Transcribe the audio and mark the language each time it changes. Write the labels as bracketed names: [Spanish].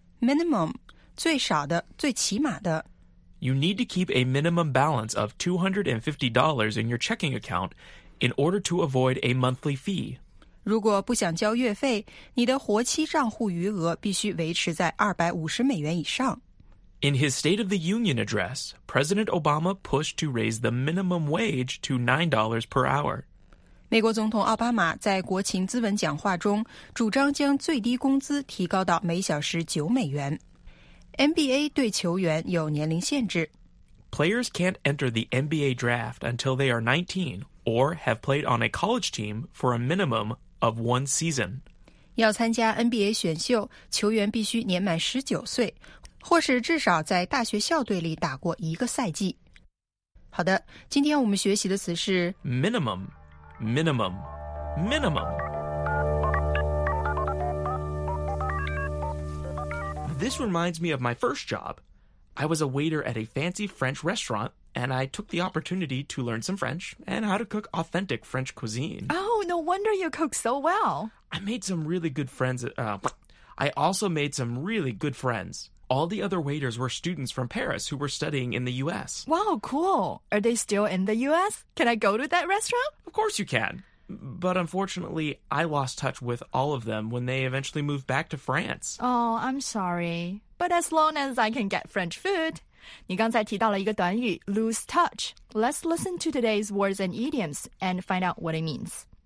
[Chinese] Minimum， 最少的，最起码的。 [English] You need to keep a minimum balance of $250 in your checking account in order to avoid a monthly fee. [Chinese] 如果不想交月费，你的活期账户余额必须维持在250美元以上。 [English] In his State of the Union address, President Obama pushed to raise the minimum wage to $9 per hour. [Chinese] 美国总统奥巴马在国情咨文讲话中主张将最低工资提高到每小时9美元。 NBA 对球员有年龄限制。 [English] Players can't enter the NBA draft until they are 19. Or have played on a college team for a minimum of one season. [Chinese] 要参加 NBA 选秀，球员必须年满19岁，或是至少在大学校队里打过一个赛季。好的，今天我们学习的词是 [English] minimum, minimum, minimum. This reminds me of my first job. I was a waiter at a fancy French restaurant. And I took the opportunity to learn some French and how to cook authentic French cuisine. Oh, no wonder you cook so well. I made some really good friends. I also made some really good friends. All the other waiters were students from Paris who were studying in the U.S. Wow, cool. Are they still in the U.S.? Can I go to that restaurant? Of course you can. But unfortunately, I lost touch with all of them when they eventually moved back to France. Oh, I'm sorry. But as long as I can get French food... [Chinese] 你刚才提到了一个短语 lose touch. [English] Let's listen to today's words and idioms and find out what it means.